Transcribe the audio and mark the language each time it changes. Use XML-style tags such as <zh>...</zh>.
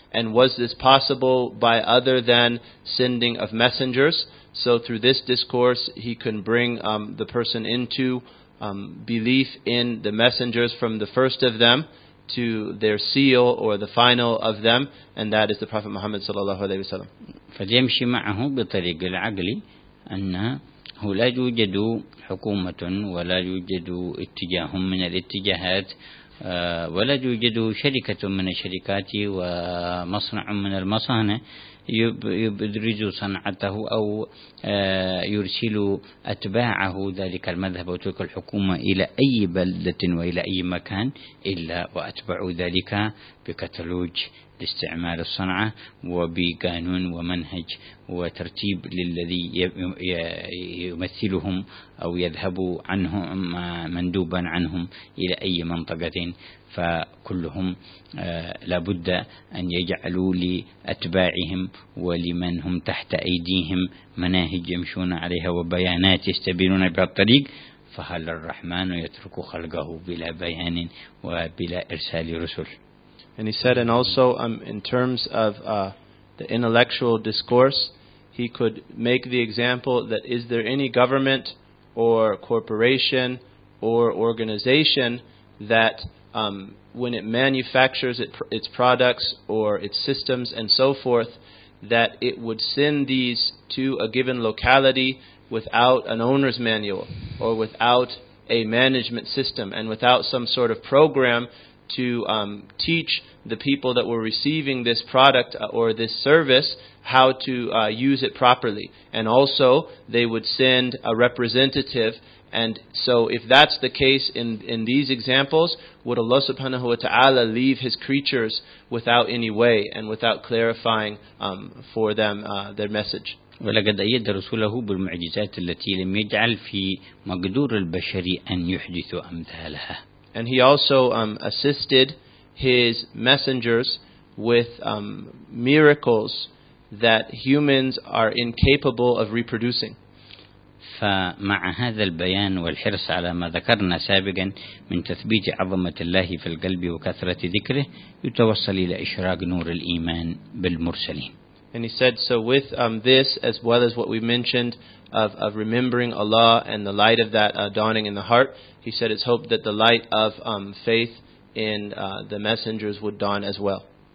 <en>And was this possible by other than sending of messengers? So through this discourse, he can bring the person into belief in the messengers, from the first of them to their seal or the final of them, and that is the Prophet Muhammad sallallahu alaihi wasallam.</en> <ar>فليمشي معه بطريق العقل أنه لا يوجد حكومة ولا يوجد اتجاه من الاتجاهات ولا يوجد شركة من الشركات ومصنع من المصانع يدرج صنعته أو يرسل أتباعه ذلك المذهب وتلك الحكومة إلى أي بلدة وإلى أي مكان إلا وأتبعوا ذلك بكتالوج لاستعمال الصنعة وبقانون ومنهج وترتيب للذي يمثلهم أو يذهب عنهم مندوبا عنهم إلى أي منطقة. فكلهم لابد أن يجعلوا لأتباعهم ولمن هم تحت أيديهم مناهج يمشون عليها وبيانات يستبينون بها الطريق. فهل الرحمن يترك خلقه بلا بيان وبلا إرسال رسل؟</ar> <en>And he said, and also in terms of the intellectual discourse, he could make the example that is there any government or corporation or organization that when it manufactures its products or its systems and so forth, that it would send these to a given locality without an owner's manual or without a management system and without some sort of program to teach the people that were receiving this product or this service how to use it properly. And also they would send a representative. And so if that's the case in these examples, would Allah subhanahu wa ta'ala leave his creatures without any way and without clarifying for them their message?</en> <ar>ولقد أيد رسوله بالمعجزات التي لم يجعل في مقدور البشر أن يحدث أمثالها.</ar> <en>And he also assisted his messengers with miracles that humans are incapable of reproducing.</en> <ar>فمع هذا البيان والحرص على ما ذكرنا سابقا من تثبيت عظمة الله في القلب وكثرة ذكره يتوصل إلى إشراق نور الإيمان بالمرسلين.</ar> <en>And he said, so with this, as well as what we mentioned of remembering Allah and the light of that dawning in the heart, he said it's hoped that the light of faith in the messengers would dawn as well.</en>